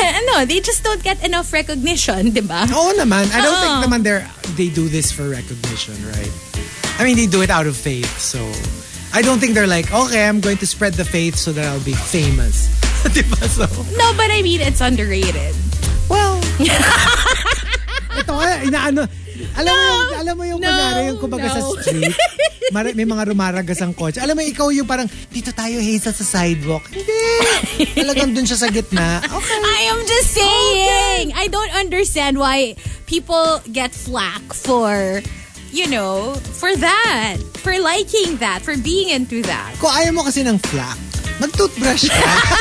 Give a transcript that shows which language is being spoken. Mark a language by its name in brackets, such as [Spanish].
[English] No, they just don't get enough recognition, diba? [Filipino] Oo naman. [English] I don't think naman they do this for recognition, right? I mean, they do it out of faith, so I don't think they're like, okay, I'm going to spread the faith so that I'll be famous. [Filipino] Diba? So, [English] no, but I mean, it's underrated. [Filipino] Well, ito, inaano, alam mo yung kumbaga sa street, may mga rumaragas ang kotse. Alam mo, ikaw yung parang, dito tayo, Hazel, sa sidewalk. Hindi. Talagang dun siya sa gitna. [English] Okay. I am just saying. Okay. I don't understand why people get flack for, you know, for that. For liking that. For being into that. [Filipino] Kung ayaw mo kasi ng flack, mag-toothbrush ka.